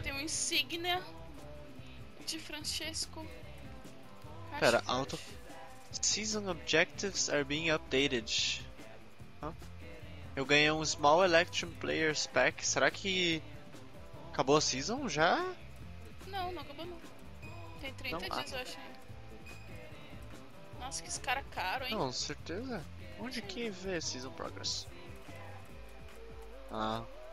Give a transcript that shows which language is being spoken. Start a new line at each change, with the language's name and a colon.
Portuguese: Tem uma insígnia de Francesco. Pera, auto...
English: Season objectives are being updated.
Portuguese: Eu ganhei um Small Electrum Players Pack. Será que... Acabou a season já? Não, não acabou não. Tem 30 não, dias, eu acho. Nossa, que esse cara é caro, hein? Não, certeza. Onde que vê Season Progress? Ah.